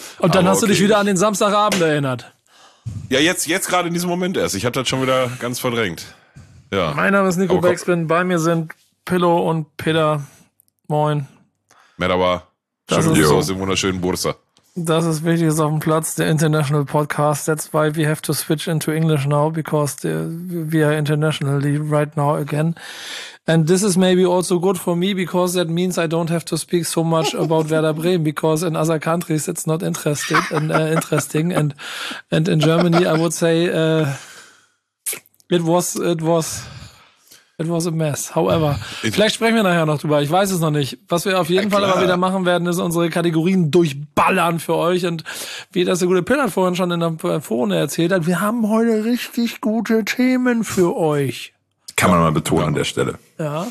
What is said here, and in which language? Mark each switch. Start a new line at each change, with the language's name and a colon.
German: Und dann hast du dich wieder an den Samstagabend erinnert. Ja, jetzt gerade in diesem Moment erst. Ich hatte das schon wieder ganz verdrängt. Ja. Mein Name ist Nico Beckspin. Bei mir sind Pillow und Peter. Moin. Merhaba. Aus dem wunderschönen Bursa. Das ist Wichtiges auf dem Platz, der International Podcast.
English: That's why we have to switch into English now, because we are internationally right now again. And this is maybe also good for me, because that means I don't have to speak so much about Werder Bremen, because in other countries it's not interesting. And in Germany I would say it was a mess.
German: However, vielleicht sprechen wir nachher noch drüber. Ich weiß es noch nicht. Was wir auf jeden Fall immer wieder machen werden, ist unsere Kategorien durchballern für euch. Und wie das der gute Pillar vorhin schon in der Vorrunde erzählt hat, wir haben heute richtig gute Themen für euch. Kann man mal betonen an der Stelle. Ja.